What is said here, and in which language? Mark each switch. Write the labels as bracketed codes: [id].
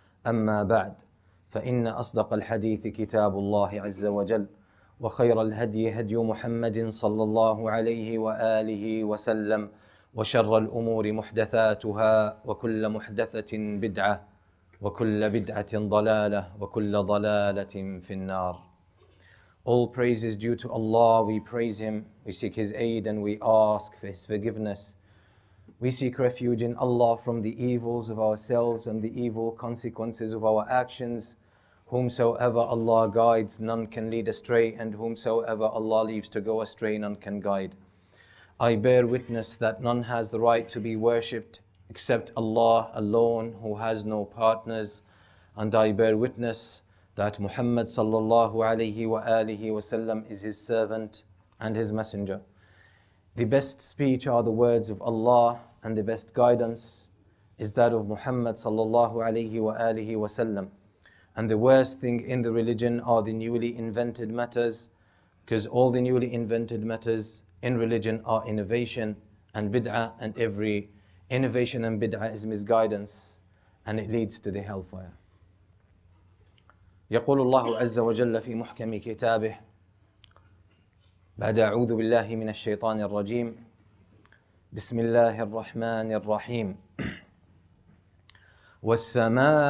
[ar] أما بعد، فإن أصدق الحديث كتاب الله عز وجل، وخير الهدي هدي محمد صلى الله عليه وآله وسلم، وشر الأمور محدثاتها، وكل محدثة بدعة، وكل بدعة ضلالة، وكل ضلالة في النار. [en] All praise is due to Allah. We praise Him. We seek His aid and we ask for His forgiveness. We seek refuge in Allah from the evils of ourselves and the evil consequences of our actions. Whomsoever Allah guides, none can lead astray, and whomsoever Allah leaves to go astray, none can guide. I bear witness that none has the right to be worshipped except Allah alone, who has no partners. And I bear witness that Muhammad sallallahu alayhi wa alihi wa sallam is his servant and his messenger. The best speech are the words of Allah, and the best guidance is that of Muhammad sallallahu alayhi wa alihi wa sallam. And the worst thing in the religion are the newly invented matters, because all the newly invented matters in religion are innovation and bid'ah, and every innovation and bid'ah is misguidance, and it leads to the hellfire. [ar] يقول الله عز وجل في محكم كتابه بعد أعوذ بالله من الشيطان الرجيم بسم الله الرحمن الرحيم والسماء